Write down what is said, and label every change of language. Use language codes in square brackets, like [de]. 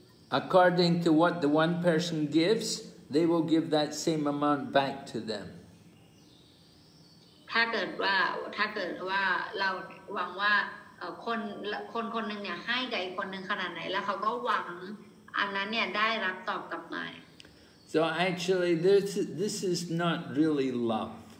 [en] According to what the one person gives, they will give that same amount back to them. [th] ถ้าเกิดว่าเราหวังว่าคนคนคนหนึ่งเนี่ยให้กับอีกคนหนึ่งขนาดไหนแล้วเขาก็หวังอันนั้นเนี่ยได้รับตอบกลับมา [en] So actually this is not really love.